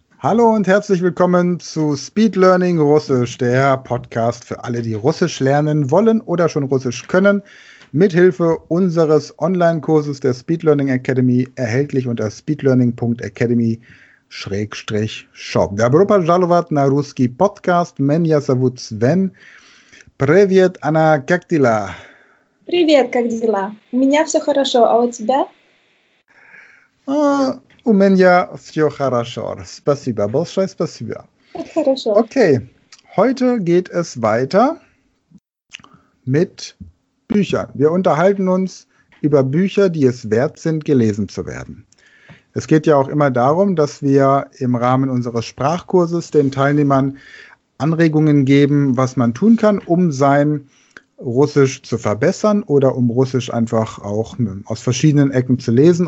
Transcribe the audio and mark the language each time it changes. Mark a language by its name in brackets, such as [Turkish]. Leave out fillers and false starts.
[German] Hallo und herzlich willkommen zu Speed Learning Russisch, der Podcast für alle, die Russisch lernen wollen oder schon Russisch können. Mithilfe unseres Online-Kurses der Speed Learning Academy, erhältlich unter speedlearning.academy/shop. [Russian] Dobro pozdravljat na ruski podcast. Menya zavut Sven. Привет, Anna, как дела? Привет, как дела? У меня все хорошо, а у тебя? У меня все хорошо. Спасибо, большое спасибо. Хорошо. [German] Okay, heute geht es weiter mit Büchern. Wir unterhalten uns über Bücher, die es wert sind, gelesen zu werden. Es geht ja auch immer darum, dass wir im Rahmen unseres Sprachkurses den Teilnehmern Anregungen geben, was man tun kann, um sein Russisch zu verbessern oder um Russisch einfach auch aus verschiedenen Ecken zu lesen.